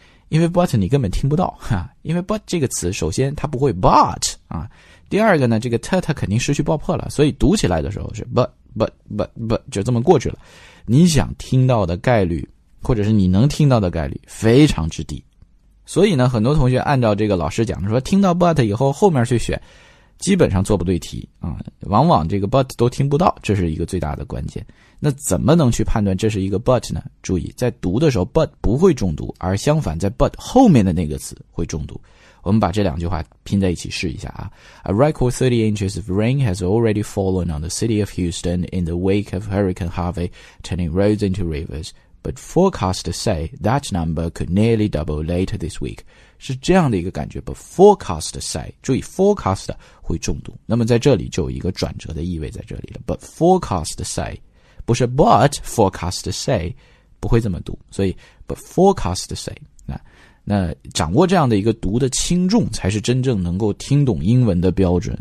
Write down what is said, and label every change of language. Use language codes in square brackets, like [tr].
[zh] 因为 but 你根本听不到，因为 but 这个词首先它不会 but 啊，第二个呢，这个 t 它肯定失去爆破了，所以读起来的时候是 but 就这么过去了。你想听到的概率，或者是你能听到的概率非常之低，所以呢，很多同学按照这个老师讲的说，听到 but 以后后面去选，基本上做不对题啊，往往这个 but 都听不到，这是一个最大的关键。那怎么能去判断这是一个 but 呢？注意在读的时候 but 不会中毒，而相反在 but 后面的那个词会中毒。我们把这两句话拼在一起试一下啊。 [en] A record 30 inches of rain has already fallen on the city of Houston in the wake of Hurricane Harvey, turning roads into rivers, but forecasters say that number could nearly double later this week. [zh] 是这样的一个感觉， [en] but forecasters say, [zh] 注意 forecast 会中毒。那么在这里就有一个转折的意味在这里了， [en] but forecasters say, [zh] 不是 [en] but forecast say, [zh] 不会这么读，所以 but forecast say, 那掌握这样的一个读的轻重才是真正能够听懂英文的标准。